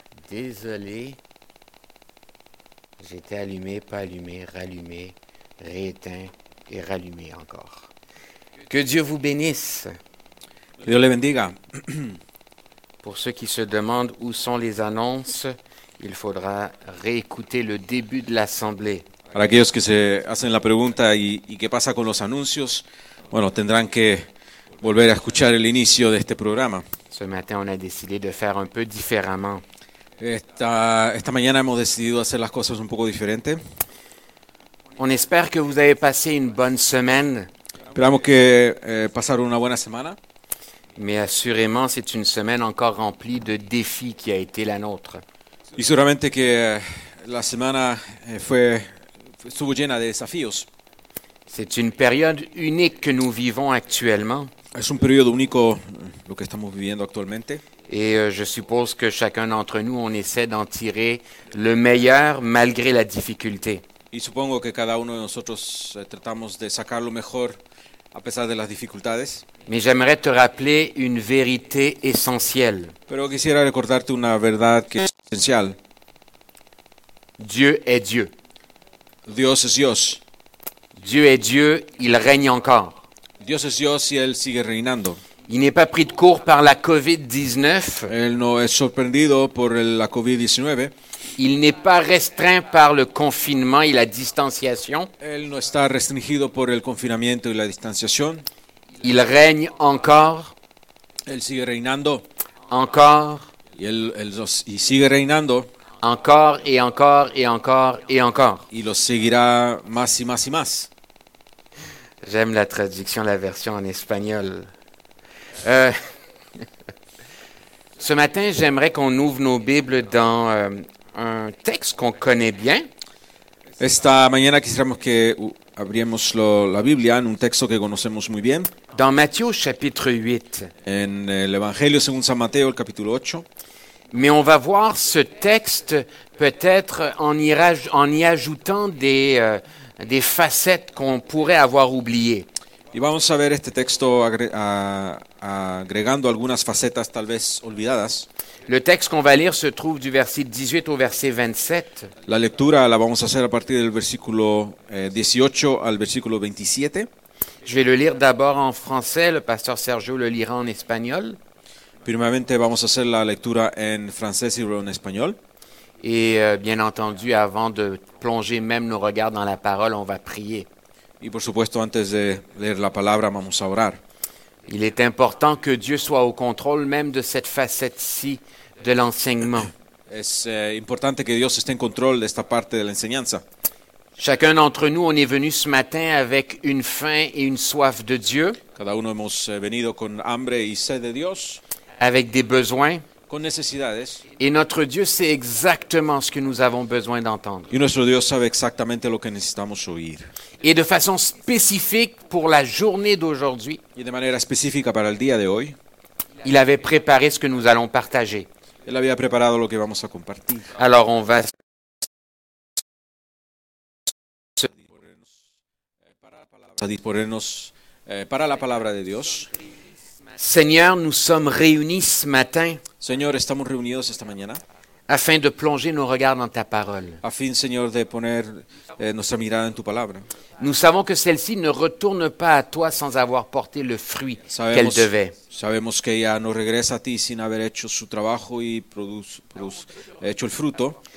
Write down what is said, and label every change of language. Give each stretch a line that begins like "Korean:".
French: Désolé, j'étais allumé, pas allumé, rallumé, rééteint et rallumé encore. Que Dieu vous bénisse. Que Dieu les bendiga. Pour ceux qui se demandent où sont les annonces, il faudra réécouter le début de l'assemblée.
Spanish: Para aquellos que se hacen la pregunta y qué pasa con los anuncios, bueno, tendrán que volver a escuchar el inicio de este programa.
French: Ce matin, on a décidé de faire un peu différemment.
Spanish: Esta mañana hemos decidido hacer las cosas un poco diferente.
French: On espère que vous avez passé une bonne semaine.
Spanish: Esperamos que pasar una buena semana.
French: Mais assurément, c'est une semaine encore remplie de défis qui a été la nôtre.
Spanish: Y seguramente que la semana fue estuvo llena de desafíos.
French: C'est une période unique que nous vivons actuellement.
Spanish: Es un periodo único lo que estamos viviendo actualmente.
French: Et je suppose que chacun d'entre nous, on essaie d'en tirer le meilleur malgré la difficulté.
Spanish: Y supongo que cada uno de nosotros tratamos de sacar lo mejor a pesar de las dificultades.
French: Mais j'aimerais te rappeler une vérité essentielle.
Spanish: Pero quisiera recordarte una verdad que es esencial.
French: Dieu est Dieu.
Spanish: Dios es Dios.
French: Dieu est Dieu, il règne encore.
Spanish: Dios es Dios y él sigue reinando.
French: Il n'est pas pris de court par la COVID-19.
Spanish: Él no es sorprendido por la COVID-19.
French: Il n'est pas restreint par le confinement et la distanciation.
Spanish: Él no está restringido por el confinamiento y la distanciación.
French: Il règne encore.
Spanish: Él sigue reinando.
French: Encore.
Spanish: Y él sigue reinando.
French: Encore et encore et encore et encore.
Spanish: Y lo seguirá más y más y más.
French: J'aime la traduction, la version en espagnol. Ce matin, j'aimerais qu'on ouvre nos Bibles dans un texte qu'on connaît bien.
Spanish: Esta mañana quisiéramos que abriéramos la Biblia en un texto que conocemos muy bien.
French: Dans Matthieu, chapitre 8.
Spanish: En el Evangelio según San Mateo, el capítulo 8.
French: Mais on va voir ce texte peut-être en y ajoutant des facettes qu'on pourrait avoir oubliées.
Spanish: Y vamos a ver este texto agregando algunas facetas tal vez olvidadas.
French: Le texte qu'on va lire se trouve du verset 18 au verset 27.
Spanish: La lectura la vamos a hacer a partir del versículo 18 al versículo 27.
French: Je vais le lire d'abord en français, le pasteur Sergio le lira en espagnol.
Spanish: Primeramente vamos a hacer la lectura en francés y en español.
French: Et bien entendu, avant de plonger même nos regards dans la parole, on va prier.
Spanish: Y por supuesto, antes de leer la palabra, vamos a orar.
French: Il est important que Dieu soit au contrôle même de cette facette-ci de l'enseignement.
Spanish: Es importante que Dios esté en control de esta parte de la enseñanza.
French: Chacun d'entre nous, on est venu ce matin avec une faim et une soif de Dieu.
Spanish: Cada uno hemos venido con hambre y sed de Dios.
French: Avec des besoins.
Spanish: Con necesidades.
French: Et notre Dieu sait exactement ce que nous avons besoin d'entendre.
Spanish: Y nuestro Dios sabe exactamente lo que necesitamos oír.
French: Et de façon spécifique pour la journée d'aujourd'hui.
Spanish: Y de manera específica para el día de hoy.
French: Il avait préparé ce que nous allons partager.
Spanish: Él había preparado lo que vamos a compartir.
French: Alors on va
Spanish: disponernos para la palabra de Dios.
French: Seigneur, nous sommes réunis ce matin.
Spanish: Señor, estamos reunidos esta mañana.
French: Afin de plonger nos regards dans ta parole.
Spanish: Afin, Señor, de poner nuestra mirada en tu palabra.
French: Nous savons que celle-ci ne retourne pas à toi sans avoir porté le fruit qu'elle devait.
Spanish: Sabemos que ella no regresa a ti sin haber hecho su trabajo y hecho el fruto.